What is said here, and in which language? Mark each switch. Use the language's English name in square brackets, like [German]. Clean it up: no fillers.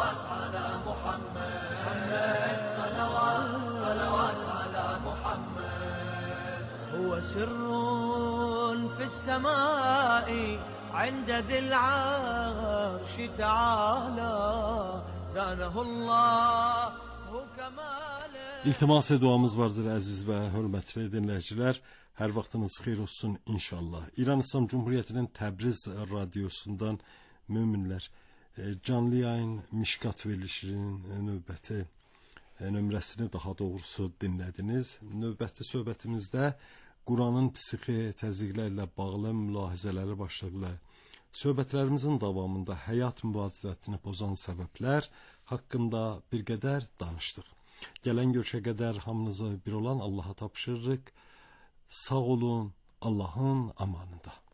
[Arabic] على محمد صلوات على محمد هو سر في السماء عند ذي العرش تعالى زانه الله كما [Azerbaijani] İltimas duamız vardır əziz və hörmətli dinləyicilər. Hər vaxtınız xeyir olsun inşallah. İran İslam Cumhuriyyətinin Təbriz radiosundan möminlər canlı yayın Mişkat verilişinin növbəti nömrəsini daha doğrusu dinlədiniz. Növbəti söhbətimizdə Quranın psixi təzyiqlərlə bağlı mülahizələri başlıqla söhbətlərimizin davamında həyat müvazinətini pozan səbəblər haqqında bir qədər danışdıq. Gələn görüşə qədər hamınızı bir olan Allaha tapışırıq. Sağ olun, Allahın amanında.